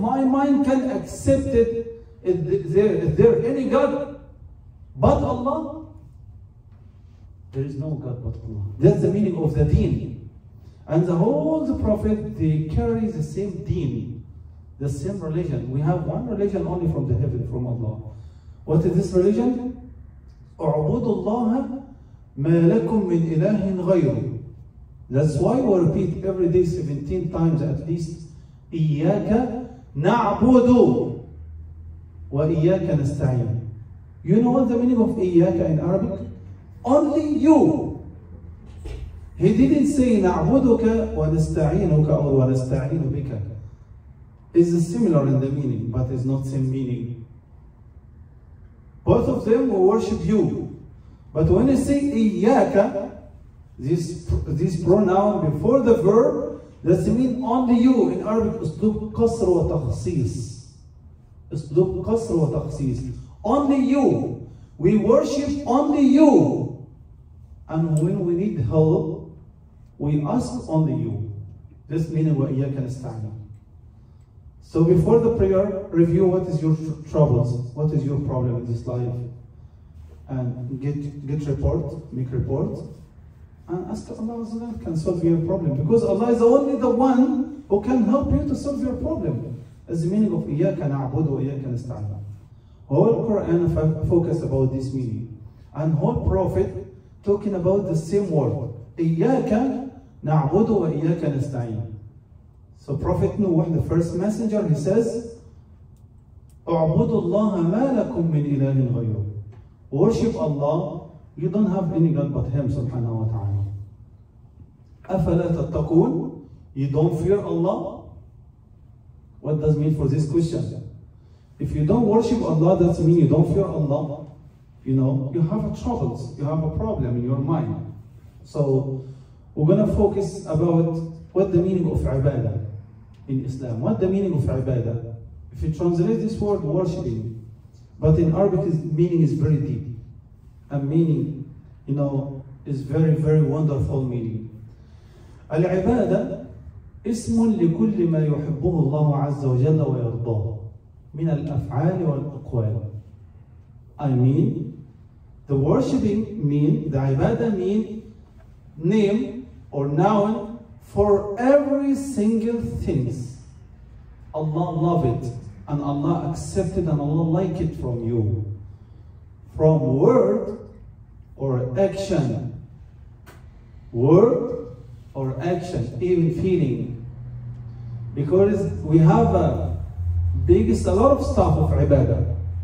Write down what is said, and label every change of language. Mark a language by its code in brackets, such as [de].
[en] My mind can accept it. Is there any God but Allah? There is no God but Allah. That's the meaning of the deen. And the whole the prophet, they carry the same deen, the same religion. We have one religion only from the heaven, from Allah. What is this religion? [ar] اعبدوا الله ما لكم من إله غيره. [en] That's why we repeat every day 17 times at least, [ar] إياك نعبد وإياك نستعين. [en] You know what the meaning of إياك in Arabic? Only you. He didn't say [ar] نعبدك ونستعينك أو ونستعين بك. [en] It's similar in the meaning, but it's not same meaning. Both of them will worship you. But when you say إياك, this pronoun before the verb, that means only you. In Arabic, [ar] أسلوب قصر وتخصيص. أسلوب قصر وتخصيص. [en] Only you. We worship only you. And when we need help, we ask only you. This meaning [ar] وإياك نستعين. [en] So before the prayer, review what is your troubles, what is your problem in this life, and get report, make report, and ask Allah Azza can solve your problem, because Allah is only the one who can help you to solve your problem. As the meaning of [ar] إياك نعبد وإياك نستعين. [en] Whole Quran focus about this meaning, and whole Prophet talking about the same word, [ar] إياك نعبد وإياك نستعين. [en] So Prophet Nuh, the first messenger, he says, [ar] اعبدوا الله ما لكم من إله غيره. [en] Worship Allah, you don't have any God but Him, subhanahu wa ta'ala. [ar] أفلا تتقون, [en] you don't fear Allah? What does mean for this question? If you don't worship Allah, that means you don't fear Allah. You know, you have a troubles, you have a problem in your mind. So we're going to focus about what the meaning of ibadah. In Islam, what the meaning of ibadah? If you translate this word, worshiping, but in Arabic, its meaning is very deep. A meaning, you know, is very, very wonderful meaning. [ar] Al-ibadah, اسم لكل ما يحبه الله عز وجل ويرضاه من الأفعال والأقوال. [en] I mean, the worshiping mean, the ibadah mean, name or noun, for every single things Allah love it and Allah accepted and Allah like it from you, from word or action, word or action, even feeling, because we have a biggest, a lot of stuff of ibadah.